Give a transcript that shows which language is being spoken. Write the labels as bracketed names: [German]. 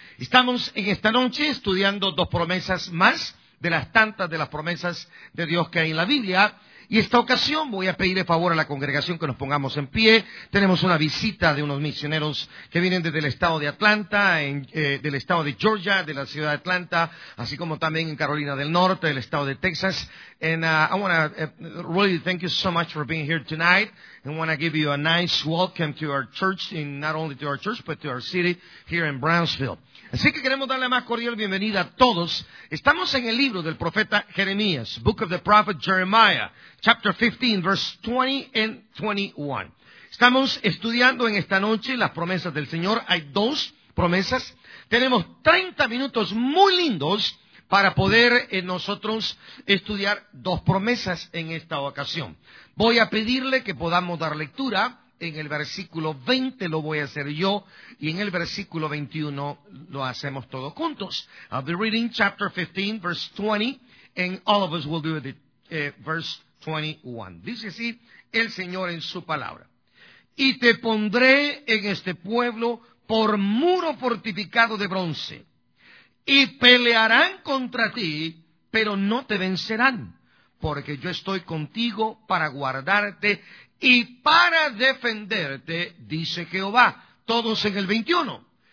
[Spanish] Estamos en esta noche estudiando dos promesas más de las tantas de las promesas de Dios que hay en la Biblia. Y esta ocasión voy a pedir de favor a la congregación que nos pongamos en pie. Tenemos una visita de unos misioneros que vienen desde el estado de Atlanta, del estado de Georgia, de la ciudad de Atlanta, así como también en Carolina del Norte, del estado de Texas. [English] And I want to really thank you so much for being here tonight. I want to give you a nice welcome to our church, and not only to our church, but to our city here in Brownsville. [Spanish] Así que queremos darle más cordial bienvenida a todos. Estamos en el libro del profeta Jeremías, [English] Book of the Prophet Jeremiah, chapter 15, verse 20 and 21. [Spanish] Estamos estudiando en esta noche las promesas del Señor. Hay dos promesas. Tenemos 30 minutos muy lindos para poder nosotros estudiar dos promesas en esta ocasión. Voy a pedirle que podamos dar lectura. En el versículo 20 lo voy a hacer yo, y en el versículo 21 lo hacemos todos juntos. [English] I'll be reading chapter 15, verse 20, and all of us will do it, verse 21. [Spanish] Dice así el Señor en su palabra. Y te pondré en este pueblo por muro fortificado de bronce, y pelearán contra ti, pero no te vencerán, porque yo estoy contigo para guardarte y para defenderte, dice Jehová, todos en el 21.